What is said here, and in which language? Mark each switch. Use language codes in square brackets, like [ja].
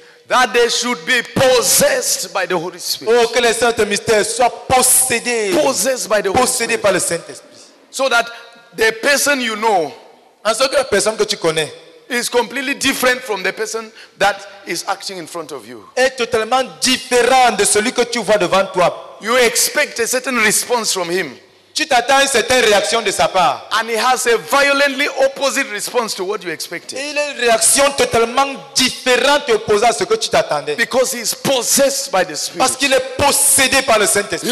[en] That they should be possessed by the Holy Spirit. [fr] Oh, que les Saint-Esprit soient possédés. [en] Possessed by the Holy Spirit. [fr] Par le Saint-Esprit. [en] So that the person you know, [fr] en sorte que la personne que tu connais, [en] is completely different from the person that is acting in front of you. [fr] Est totalement différent de celui que tu vois devant toi. [en] You expect a certain response from him. [fr] Tu t'attends une certaine réaction de sa part. [en] And he has a violently opposite response to what you expected. [fr] Il a une réaction totalement différente opposée à ce que tu t'attendais. [en] Because he is possessed by the Spirit. [fr] Parce qu'il est possédé par le Saint-Esprit.